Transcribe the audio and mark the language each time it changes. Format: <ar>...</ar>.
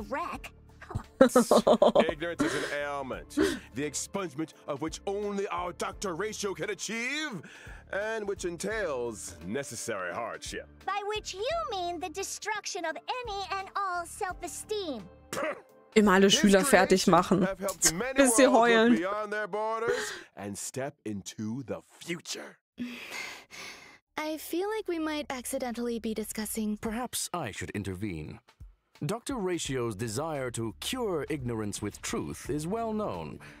<en>Wreck. Ignorance is an ailment, the expungement of which only our Dr. Ratio can achieve, and which entails necessary hardship. By which you mean the destruction of any and all self-esteem.</en> <de>Immer alle Schüler fertig machen, bis sie heulen.</de> <en>Beyond their borders and step into the future. I feel like we might accidentally be discussing. Perhaps I should intervene. Dr. Ratio's desire to cure ignorance with truth is well known.</en>